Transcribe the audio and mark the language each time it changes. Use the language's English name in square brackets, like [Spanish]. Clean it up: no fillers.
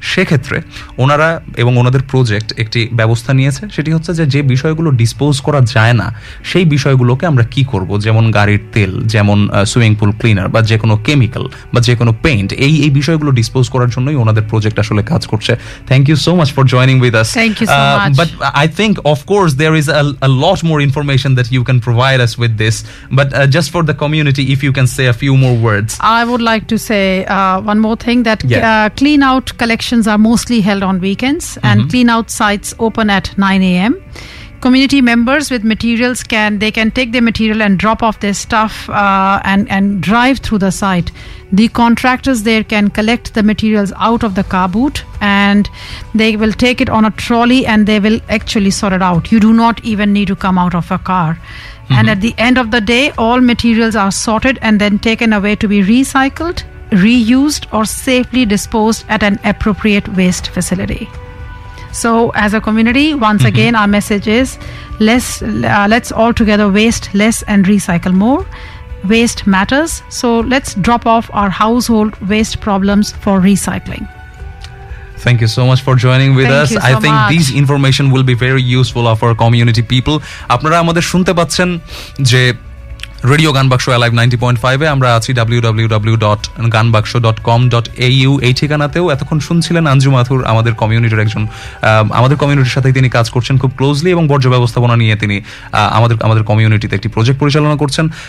[Bangla] সেক্ষেত্রে ওনারা এবং ওনাদের প্রজেক্ট একটি ব্যবস্থা নিয়েছে, সেটি হচ্ছে যে বিষয়গুলো ডিসপোজ করা যায় না সেই বিষয়গুলোকে আমরা কি করব, যেমন গাড়ির তেল, যেমন সুইমিং পুল ক্লিনার বা যে কোনো কেমিক্যাল বা যে কোনো পেইন্ট, এই এই বিষয়গুলো ডিসপোজ করার জন্যই ওনাদের প্রজেক্ট আসলে কাজ করছে। [English] Thank you so much for joining with us. Thank you so much. But I think of course there is a lot more information that you can provide us with this, but just for the community if you can say a few more words. I would like to say one more thing that clean out collections are mostly held on weekends and clean out sites open at 9 a.m. Community members with materials can, they can take their material and drop off their stuff and drive through the site. The contractors there can collect the materials out of the car boot and they will take it on a trolley and they will actually sort it out. You do not even need to come out of a car. And at the end of the day, all materials are sorted and then taken away to be recycled, reused or safely disposed at an appropriate waste facility. So as a community, once again, our message is let's all together waste less and recycle more. Waste matters, so let's drop off our household waste problems for recycling. Thank you so much for joining with Thank us. So I think much. These information will be very useful of our community people. [Bangla] আপনারা আমাদের শুনতে পাচ্ছেন যে radio Gaanbaksho alive 90.5 এ আমরা আছি www.ganbakso.com.au। এই ঠিকানাতেও এতক্ষণ শুনছিলেন আঞ্জু মাথুর, আমাদের কমিউনিটির একজন, আমাদের কমিউনিটির সাথেই তিনি কাজ করছেন খুব ক্লোজলি এবং বর্জ্য ব্যবস্থাপনা নিয়ে তিনি আমাদের আমাদের কমিউনিটিতে একটি প্রজেক্ট পরিচালনা করছেন।